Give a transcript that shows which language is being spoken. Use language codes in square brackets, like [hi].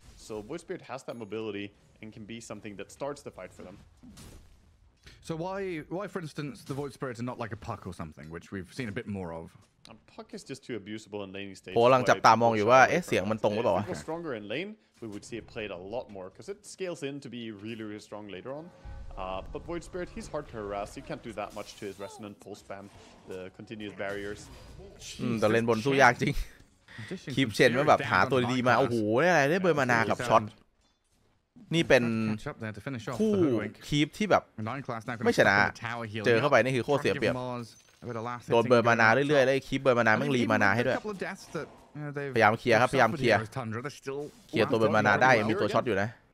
[en] so void spirit has that mobility and can be something that starts the fight for them So why for instance the void spirit is not like a puck or something which we've seen a bit more of a puck is just too abusable in laning stage [th] โหกำลังจับตามองอยู่ว่าเอ๊ะเสียงมันตรงหรือเปล่าวะ [en] stronger in lane we would see it played a lot more cuz it scales in to be really really strong later on but void spirit he's hard to harass you can't do that much to his resonant pull spam the continuous barriers [th] ตะเล่นบนสู้ยากจริงคีปเชนมันแบบหาตัวดีๆมาโอ้โหนี่อะไรได้เบอร์มานากับช็อตนี่เป็นคู่คีปที่แบบไม่ชนะเจอเข้าไปนี่คือโคตรเสียเปรียบโดนเบอร์มานาเรื่อยๆแล้วคีปเบอร์มานาแม่งรีมานาให้ด้วยพยายามเคลียร์ครับพยายามเคลียร์ตัวเบอร์มานาได้มีตัวช็อตอยู่นะ